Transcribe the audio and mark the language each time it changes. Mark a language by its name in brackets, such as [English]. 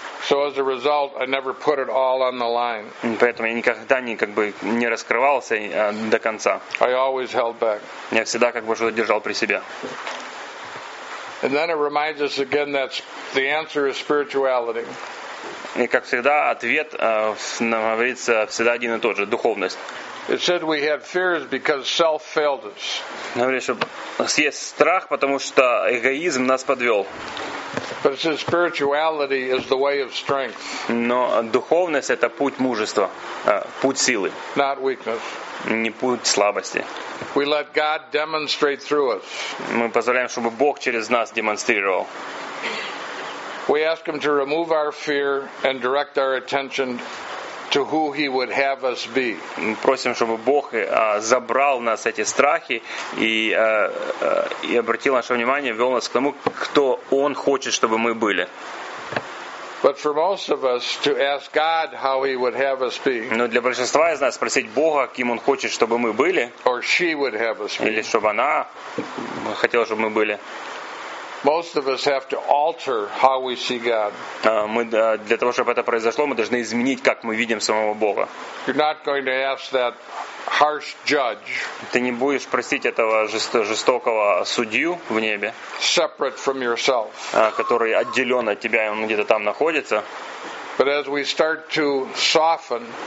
[English] So as a result, I never put it all on the line. [Russian] Поэтому я никогда не как бы не раскрывался до конца. [English] I always held back. [Russian] Я всегда как бы что-то держал при себе. [English] And then it reminds us again that the answer is spirituality. [Russian] И как всегда ответ нам говорится всегда один и тот же духовность. [English] It said we have fears because self failed us. [Russian] Говорит, что у нас есть страх, потому что эгоизм нас подвел. [English] But it says spirituality is the way of strength. [Russian] Но духовность это путь мужества, путь силы. [English] Not weakness. [Russian] Не путь слабости. [English] We let God demonstrate through us. [Russian] Мы позволяем, чтобы Бог через нас демонстрировал. [English] We ask Him to remove our fear and direct our attention to who He would have us be. [Russian] Мы просим, чтобы Бог забрал нас эти страхи и обратил наше внимание, вел нас к тому, кто Он хочет, чтобы мы были. [English] But for most of us to ask God how He would have us be. [Russian] Но для большинства из нас спросить Бога, кем Он хочет, чтобы мы были. [English] Or she would have us be. [Russian] Или чтобы она хотела, чтобы мы были. [English] Most of us have to alter how we see God. [Russian] Мы для того, чтобы это произошло, мы должны изменить, как мы видим самого Бога. [English] You're not going to ask that harsh judge. [Russian] Ты не будешь просить этого жестокого судью в небе. [English] Separate from yourself. [Russian] Который отделен от тебя, и он где-то там находится. [English] But as we start to soften.